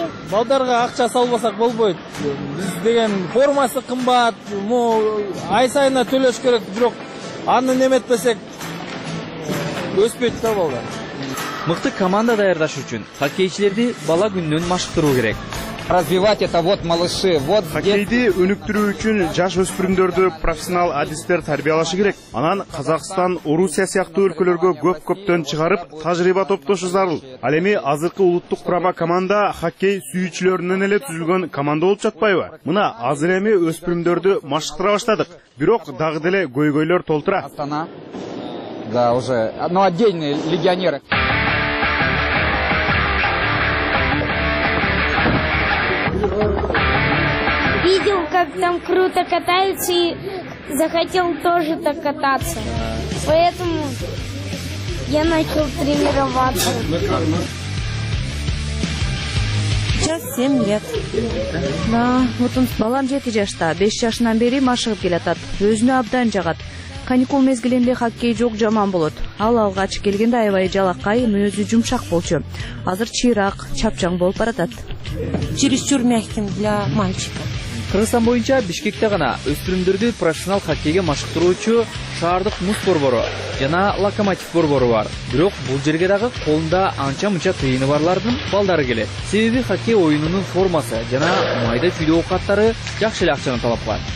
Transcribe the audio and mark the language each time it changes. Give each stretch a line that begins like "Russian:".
Kyrgyz: Балдарга акча салбасак болбойт. Биз деген формасы кымбат, ай сайына төлөш керек, бирок аны неметпесек өспөйт да балдар. Мыкты команда даярдаш үчүн хоккейчилерди бала күнүнөн машыктыруу керек.
Russian: Развивать это вот малыши, вот
Kyrgyz: хоккейди өнүктүрүү үчүн жаш өспүрүмдөрдү профессионал адистер тарбиялашы керек. Анан Казакстан, Орусия сыяктуу өлкөлөргө көп-көптөн чыгарып тажрыйба топтошу зарыл. Ал эми азыркы улуттук курама команда хоккей сүйүүчүлөрүнөн эле түзүлгөн команда болуп жатпайбы? Мына азыр эми өспүрүмдөрдү машыктыра баштадык, бирок дагы деле көйгөйлөр толтура.
Russian: Да, уже, ну, отдельные легионеры. Видел, как там круто катаются, и захотел тоже так кататься. Поэтому я начал тренироваться. Сейчас 7 лет. Да, вот он,
Kyrgyz: балам 7 жашта, 5 жашынан бери машыгып келатат, өзүнө абдан жагат. Каникул мезгилинде хоккей жок жаман болот. Ал алгач келгенде аябай жалакай, мүнөзү жумшак болчу. Азыр чыйрак, чапчаң болуп баратат.
Russian: Чересчур мягким для мальчика.
Kyrgyz: Кыргызстан боюнча Бишкекте гана өспүрүмдөрдү профессионал хоккейге машыктыруучу шаардык муз борбору жана Локомотив борбору бар. Бирок бул жерге дагы колунда анча-мынча тыйыны барлардын балдары келет. Себеби хоккей оюнунун формасы жана майда-чүйдө оокаттары жакшы эле акчаны талап кылат.